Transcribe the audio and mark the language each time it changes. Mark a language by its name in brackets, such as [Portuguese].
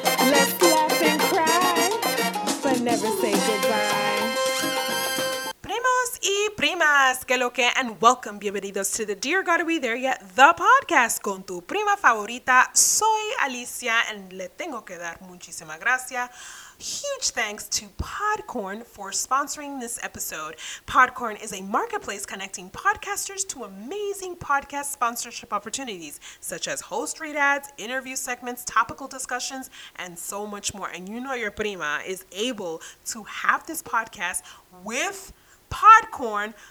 [English] Let's laugh and cry, but never say goodbye. [Spanish] Primos y primas, ¿qué lo que? [English] And welcome, [Spanish] bienvenidos [English] to the Dear God, Are We There Yet? The podcast [Spanish] con tu prima favorita. Soy Alicia, and le tengo que dar muchísima gracia. [English] Huge thanks to Podcorn for sponsoring this episode. Podcorn is a marketplace connecting podcasters to amazing podcast sponsorship opportunities, such as host read ads, interview segments, topical discussions, and so much more. And you know your prima is able to have this podcast with Podcorn.